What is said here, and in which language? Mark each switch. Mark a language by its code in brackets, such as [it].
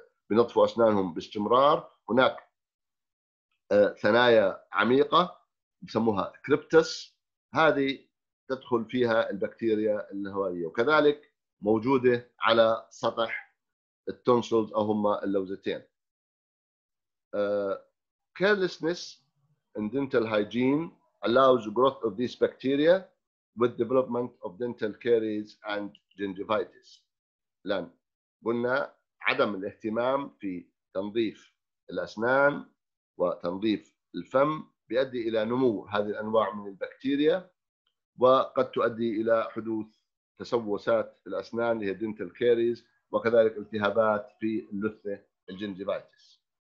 [ar] بنظفوا أسنانهم باستمرار، هناك ثنايا عميقة يسموها كريبتس، هذه تدخل فيها البكتيريا الهوائية، وكذلك موجودة على سطح التونسلز أو هما اللوزتين. [en] Carelessness in dental hygiene allows growth of these bacteria with development of dental caries and gingivitis. [ar] لأن قلنا عدم الاهتمام في تنظيف الأسنان وتنظيف الفم بيؤدي إلى نمو هذه الأنواع من البكتيريا، وقد تؤدي إلى حدوث تسوسات الأسنان اللي هي dental caries، وكذلك التهابات في اللثة الجينجيفايتس.